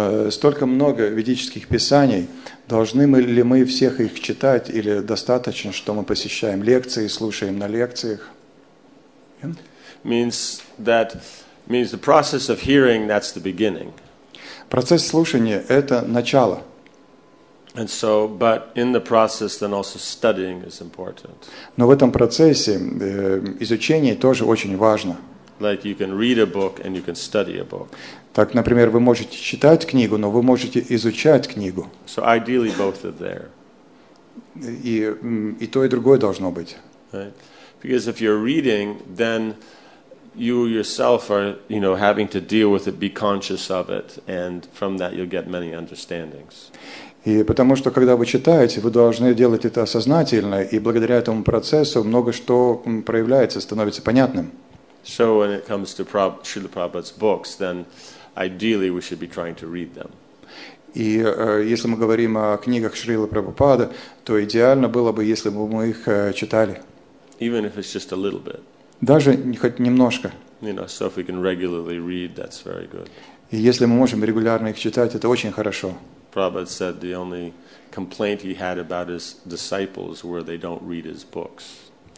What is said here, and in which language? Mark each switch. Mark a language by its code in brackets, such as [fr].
[ru] Столько много ведических писаний. Должны ли мы всех их читать, или достаточно, что мы посещаем лекции, слушаем на лекциях? [en] Means the process of hearing, that's the beginning. [ru] Процесс слушания — это начало. [en] And so, but in the process, then also studying is important. [ru] Но в этом процессе изучение тоже очень важно. [en] Like you can read a book and you can study a book. [ru] Так, например, вы можете читать книгу, но вы можете изучать книгу. [en] So ideally, both are there. [ru] И то и другое должно быть. [en] Right? Because if you're reading, then you yourself are, you know, having to deal with it, be conscious of it, and from that you'll get many understandings. [ru] И потому что когда вы читаете, вы должны делать это осознательно, и благодаря этому процессу много что проявляется, становится понятным. [en] So when it comes to Srila Prabhupada's books, then ideally we should be trying to read them. [ru] И если мы говорим о книгах Шрилы Прабхупады, то идеально было бы, если бы мы их читали. [en] Even if it's just a little bit. [ru] Даже хоть немножко. [en] You know, so if we can regularly read, that's very good. [ru] И если мы можем регулярно их читать, это очень хорошо. [en] Prabhupada said the only complaint he had about his disciples were they don't read his books.